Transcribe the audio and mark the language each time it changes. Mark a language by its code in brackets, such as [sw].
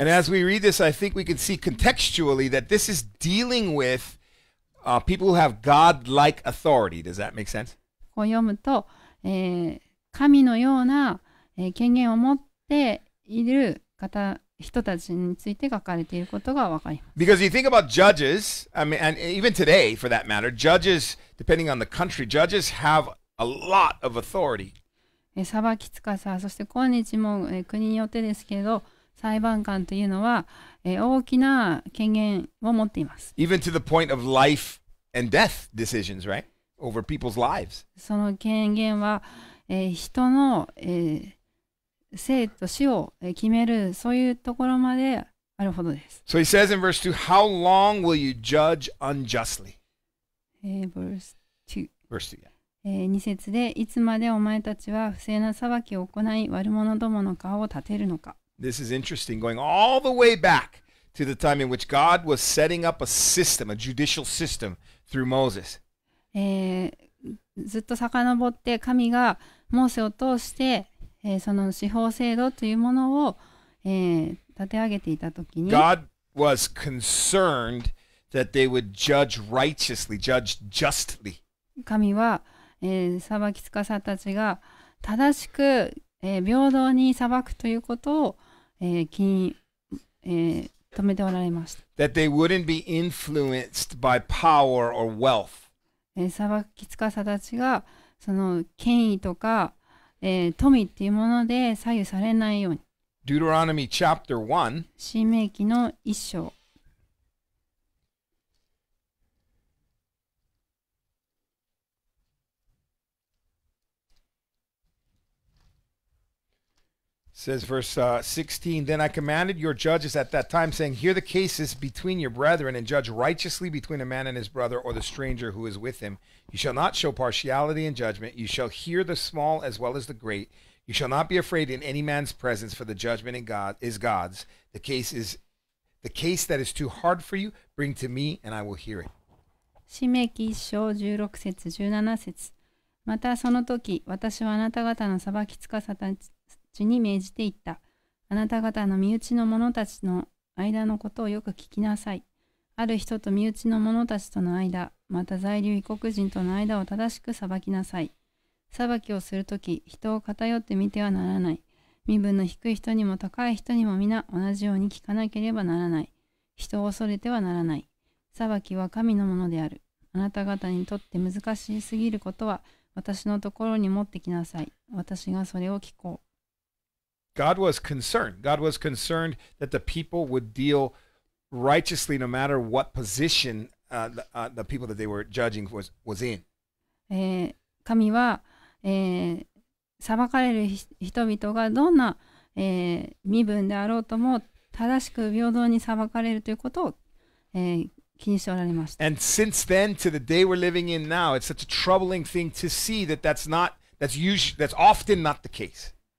[en] And as we read this, I think we can see contextually that this is dealing with people who have God-like authority. Does that make sense? [ja] こう読むと、神のような権限を持っている方、人たちについて書かれていることがわかります。 [en] Because you think about judges, I mean, and even today, for that matter, judges, depending on the country, judges have a lot of authority. [ja] 裁き司、そして今日も国によってですけど、裁判官というのは大きな権限を持っています。 [en] Even to the point of life and death decisions, right? Over people's lives. [ja] その権限は人の、生と死を決めるそういうところまであるほどです。 [en] So he says in verse 2, how long will you judge unjustly? Verse 2. [ja] 2節で、いつまでお前たちは不正な裁きを行い悪者どもの顔を立てるのか。 [en] This is interesting, going all the way back to the time in which God was setting up a system, a judicial system through Moses. [ja] ずっと遡って神がモーセを通して、その司法制度というものを、立て上げていたときに [en] God was concerned that they would judge righteously, judge justly. [ja] 神は、裁き司たちが正しく、平等に裁くということを、気に、止めておられました。 [en] That they wouldn't be influenced by power or wealth. [ja] 裁き司たちがその権威とか、富っていうもので左右されないように。 [en] Deuteronomy chapter 1。 [ja] 新明記の一章。 [en] Says verse 16, Then I commanded your judges at that time, saying, Hear the cases between your brethren, and judge righteously between a man and his brother, or the stranger who is with him. You shall not show partiality in judgment. You shall hear the small as well as the great. You shall not be afraid in any man's presence, for the judgment in God is God's. The case that is too hard for you, bring to me, and I will hear it. [ja] 詩編1章16節17節。またその時、私はあなた方の裁き司たち、主に命じていった。あなた方の身内の者たちの間のことをよく聞きなさい。ある人と身内の者たちとの間、また在留異国人との間を正しく裁きなさい。裁きをするとき、人を偏って見てはならない。身分の低い人にも高い人にも皆同じように聞かなければならない。人を恐れてはならない。裁きは神のものである。あなた方にとって難しすぎることは、私のところに持ってきなさい。私がそれを聞こう。 [en] God was concerned. God was concerned that the people would deal righteously no matter what position the people that they were judging was in. [ja] 神は、裁かれる人々がどんな、身分であろうとも正しく平等に裁かれるということを、気にしておられました。 [en] And since then to the day we're living in now, it's such a troubling thing to see that that's often not the case.